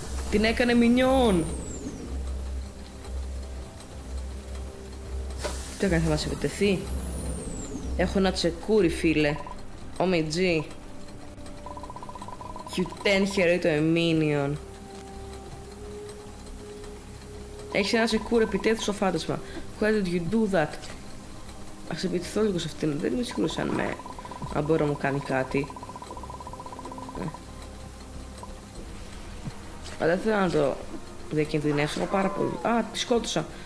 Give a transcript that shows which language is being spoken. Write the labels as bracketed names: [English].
[Greek] Την έκανε μινιόν. Τι έκανε, θα μας επιτεθεί? Έχω ένα τσεκούρι, φίλε. [English] OMG, you turn her into a minion. [Greek] Έχεις ένα σεκούρ, επιτέθου στο φάντασμα. [English] Why did you do that? [Greek] Ας επιτεθώ λίγο σε αυτήν. Δεν είμαι σίγουρος αν με... αν μπορώ να μου κάνει κάτι. Αλλά δεν θέλω να το διακινδυνεύσω. Έχω πάρα πολύ. Α, τη σκότωσα.